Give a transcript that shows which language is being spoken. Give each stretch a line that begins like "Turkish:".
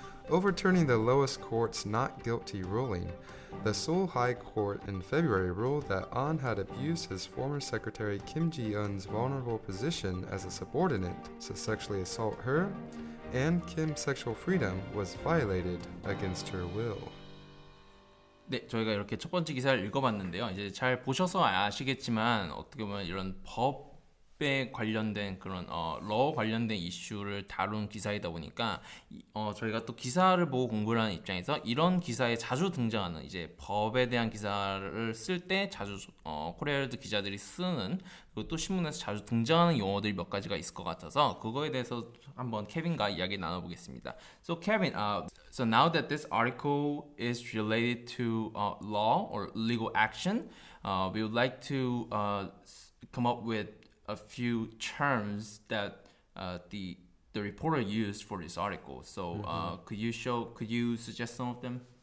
English: Overturning the lowest court's not guilty ruling, the Seoul High Court in February ruled that An had abused his former secretary Kim Ji-eun's vulnerable position as a subordinate to sexually assault her, and Kim's sexual freedom was violated against her will.
Korean: 네, 저희가 이렇게 첫 번째 기사를 읽어봤는데요. 이제 잘 보셔서 아시겠지만 어떻게 보면 이런 법에 관련된 그런 law 관련된 이슈를 다룬 기사이다 보니까 저희가 또 기사를 보고 공부를 하는 입장에서 이런 기사에 자주 등장하는 이제 법에 대한 기사를 쓸 때 자주 코리아월드 기자들이 쓰는 그리고 또 신문에서 자주 등장하는 용어들이 몇 가지가 있을 것 같아서 그거에 대해서 한번 케빈과 이야기 나눠보겠습니다.
English: So Kevin, so now that this article is related to law or legal action, we would like to come up with a few terms that the reporter used for this article. So, mm-hmm. Could you suggest some of them?